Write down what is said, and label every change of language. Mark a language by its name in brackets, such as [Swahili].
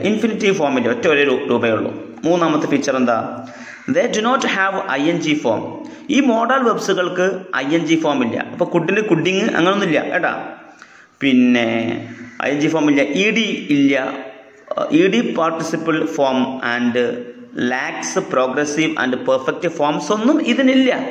[Malayalam] Infinitive ഫോമില്ല, ഒറ്റ ഒരേ രൂപയേ ഉള്ളൂ. മൂന്നാമത്തെ ഫീച്ചർ എന്താ? [English] They do not have ing form. [Malayalam] ഈ മോഡൽ വെർബ്സുകൾക്ക് ing form ഇല്ല. അപ്പോൾ കുഡിന് കുഡിങ് അങ്ങനെയൊന്നുമില്ല കേട്ടാ. പിന്നെ ing form ഇല്ല, ed ഇല്ല, [English] ED participle form and lacks progressive and perfect forms [Malayalam] ഒന്നും ഇതിനില്ല.